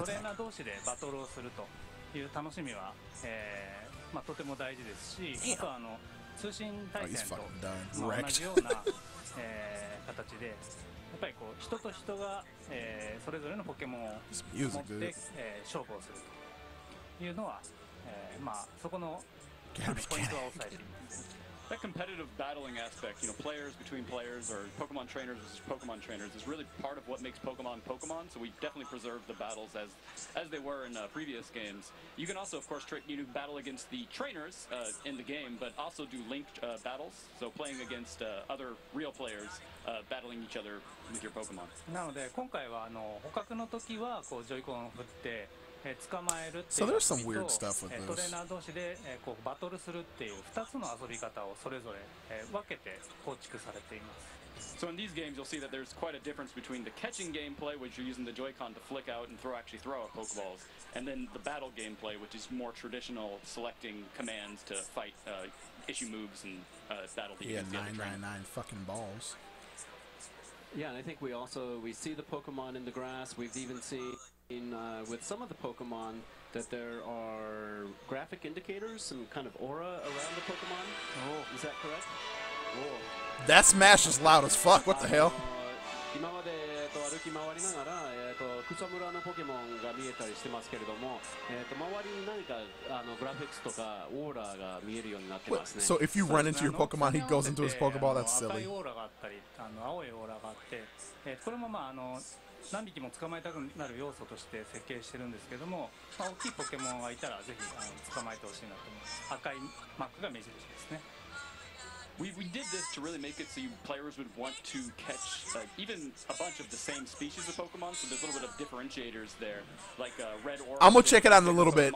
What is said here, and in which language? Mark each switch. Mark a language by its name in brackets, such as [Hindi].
[Japanese] トレーナー同士でバトルをするという楽しみは、まあ、とても大事ですし、あとあの通信対戦と同じような形で、やっぱりこう人と人が、それぞれのポケモンを持って、勝負をするというのは、まあそこのポイントは抑えています。 [English] That competitive battling aspect, you know, players between players or Pokemon trainers versus Pokemon trainers is really part of what makes Pokemon Pokemon, so we definitely preserve the battles as they were in previous games. You can also, of course, you know, battle against the trainers in the game, but also do linked battles, so playing against other real players battling each other with your Pokemon. [Japanese] なので今回はあの捕獲の時はこうジョイコンを振って捕まえるっていうのと、トレーナー同士で、こうバトルするっていう2つの遊び方をそれぞれ、分けて構築されています。 [English] So in these games, you'll see that there's quite a difference between the catching gameplay, which you're using the Joy-Con to flick out and throw out Pokeballs, and then the battle gameplay, which is more traditional, selecting commands to fight, issue moves and battle the enemy. Yeah, 999 fucking balls. Yeah, and I think we see the Pokemon in the grass. We've even seen. With some of the Pokemon, that there are graphic indicators, some kind of aura around the Pokemon. Oh, is that correct? Oh. That smash is loud as fuck. What the hell? [Japanese] 今まで歩き回りながら、草むらのポケモンが見えたりしてますけれども、周りに何かあのグラフィックスとかオーラが見えるようになってますね。 [English] So if you run into your Pokemon, he goes into his Pokeball. That's silly. [Japanese] 赤いオーラがあったり、あの青いオーラがあって、これもまああの。何匹も捕まえたくなる要素として設計してるんですけども、まあ、大きいポケモンがいたらぜひ捕まえてほしいなと思います。赤いマックが目印ですね。 [English] We did this to really make it so you players would want to catch even a bunch of the same species of Pokemon. So there's a little bit of differentiators there, like a red or. I'm gonna check it out in a little bit.